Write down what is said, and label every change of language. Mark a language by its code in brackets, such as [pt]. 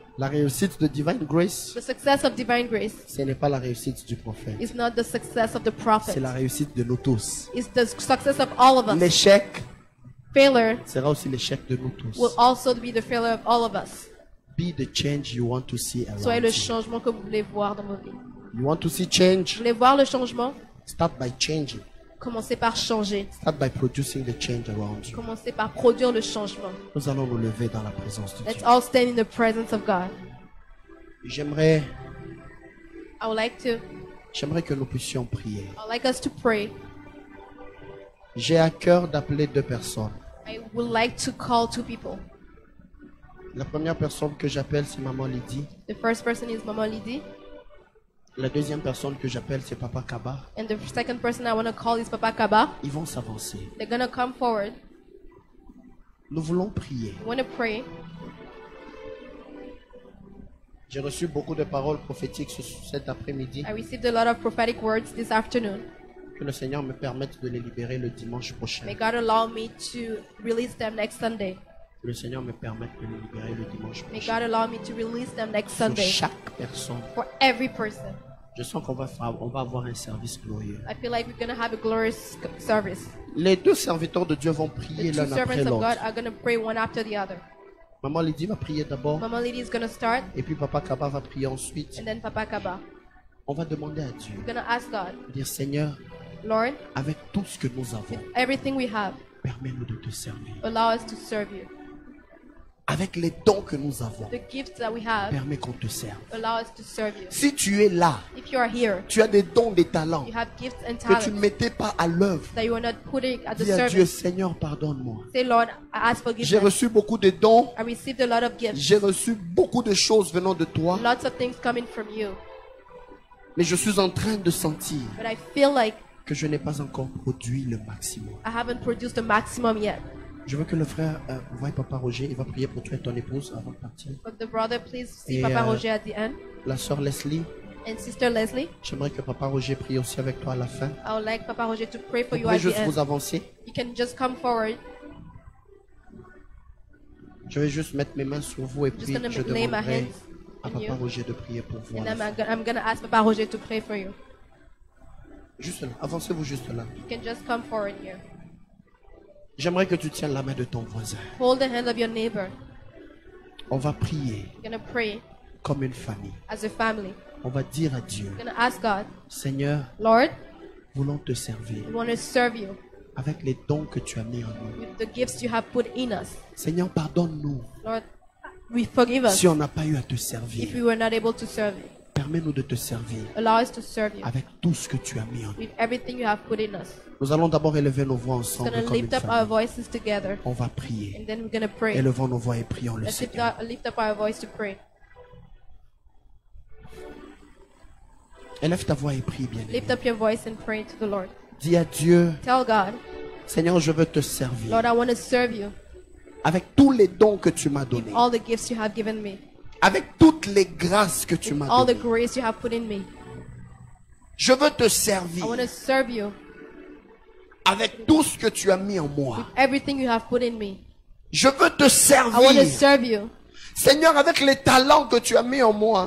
[fr] La réussite de Divine Grace. [en] The success of Divine Grace. [fr] Ce n'est pas la réussite du prophète. [en] It's not the success of the prophet. [fr] C'est la réussite de nous tous. [en] It's the success of all of us. [fr] L'échec. [en] Failure. [fr] Sera aussi l'échec de nous tous. [en] Will also be the failure of all of us. Be the change you want to see around. [fr] Soyez le changement que vous voulez voir dans vos vies. [en] You want to see change. [fr] Vous voulez voir le changement. [en] Start by changing. [fr] Commencez par changer. [en] Start by producing the change around you. [fr] Commencez par produire le changement. Nous allons nous lever dans la présence de [en] Let's Let's all stand in the presence of God. [fr] J'aimerais. [en] I would like to. [fr] J'aimerais que nous puissions prier. [en] I would like us to pray. [fr] J'ai à cœur d'appeler deux personnes. [en] I would like to call two people. [fr] La première personne que j'appelle c'est Maman Lydie. [en] The first person is Maman Lydie. [fr] La deuxième personne que j'appelle c'est Papa Kaba. [en] And the second person I want to call is Papa Kaba. [fr] Ils vont s'avancer. [en] They're gonna come forward. [fr] Nous voulons prier. [en] We want to pray. [fr] J'ai reçu beaucoup de paroles prophétiques cet après-midi. [en] I received a lot of prophetic words this afternoon. [fr] Que le Seigneur me permette de les libérer le dimanche prochain. [en] May God allow me to release them next Sunday. [fr] le Seigneur me permette de les libérer le dimanche prochain. [en] May God allow me to release them next [fr] sur [en] Sunday. [fr] Chaque personne. [en] For every person. [fr] Je sens qu'on va faire, on va avoir un service glorieux. [en] I feel like we're gonna have a glorious service. [fr] Les deux serviteurs de Dieu vont prier l'un après l'autre. [en] The two servants of God are gonna pray one after the other. [fr] Maman Lydie va prier d'abord. [en] Mama Lydie is gonna start. [fr] Et puis Papa Kaba va prier ensuite. [en] And then Papa Kaba. [fr] On va demander à Dieu. [en] We're gonna ask God. [fr] Dire Seigneur. [en] Lord. [fr] Avec tout ce que nous avons. [en] With everything we have. [fr] Permets-nous de te servir. [en] Allow us to serve you. [fr] Avec les dons que nous avons, [en] the gifts that we have, [fr] permet qu'on te serve. [en] Allow us to serve you. [fr] Si tu es là, [en] if you are here, [fr] tu as des dons, des talents, [en] you have gifts and [fr] talents, que tu ne mettais pas à l'œuvre, [en] that you are not putting at the [fr] dis [en] service. [fr] À Dieu, Seigneur, pardonne-moi. [en] Say, Lord, I ask forgiveness. [fr] J'ai reçu beaucoup de dons. [en] I received a lot of gifts. [fr] J'ai reçu beaucoup de choses venant de toi. [en] Lots of things coming from you. [fr] Mais je suis en train de sentir, [en] but I feel like, [fr] que je n'ai pas encore produit le maximum. [en] I haven't produced the maximum yet. [fr] Je veux que le frère voie Papa Roger, il va prier pour toi et ton épouse avant de partir. [en] But the brother, please see Papa Roger at the end. [fr] La sœur Leslie. [en] And Sister Leslie. [fr] J'aimerais que Papa Roger prie aussi avec toi à la fin. [en] I would like Papa Roger to pray for [fr] vous [en] you at the end. [fr] Vous pouvez juste vous avancer. [en] You can just come forward. [fr] Je vais juste mettre mes mains sur vous et [en] I'm [fr] puis je demanderai à Papa Roger de prier pour vous. [en] And I'm going to ask Papa Roger to pray for you. [fr] Juste là, avancez-vous juste là. [en] You can just come forward here. [fr] J'aimerais que tu tiennes la main de ton voisin. [en] Hold the hand of your neighbor. [fr] On va prier. [en] We're gonna pray. [fr] Comme une famille. [en] As a family. [fr] On va dire à Dieu. [en] We're gonna ask God. [fr] Seigneur. [en] Lord. [fr] Voulons te servir. [en] We want to serve you. [fr] Avec les dons que tu as mis en nous. [en] With the gifts you have put in us. [fr] Seigneur, pardonne-nous. [en] Lord, we forgive us. [fr] Si on n'a pas eu à te servir. [en] If we were not able to serve you. [fr] Permets-nous de te servir. [en] Allow us to serve you. [fr] Avec tout ce que tu as mis en nous. [en] With everything you have put in us. [fr] Nous allons d'abord élever nos voix ensemble comme une famille. [en] Lift up our voices together. [fr] On va prier. [en] And then we're gonna pray. [fr] Élevons nos voix et prions le Seigneur. [en] Let's lift up our voice to pray. [fr] Élève ta voix et prie bien. [en] Lift up your voice and pray to the Lord. [fr] Dis à Dieu. [en] Tell God. [fr] Seigneur, je veux te servir. [en] Lord, I want to serve you. [fr] Avec tous les dons que tu m'as donnés. [en] With all the gifts you have given me. [fr] Avec toutes les grâces que tu m'as données. [en] All the grace you have put in me. [fr] Je veux te servir. [en] I want to serve you. [fr] Avec tout ce que tu as mis en moi. [en] With everything you have put in me. [fr] Je veux te servir. [en] I want to serve you. [fr] Seigneur, avec les talents que tu as mis en moi.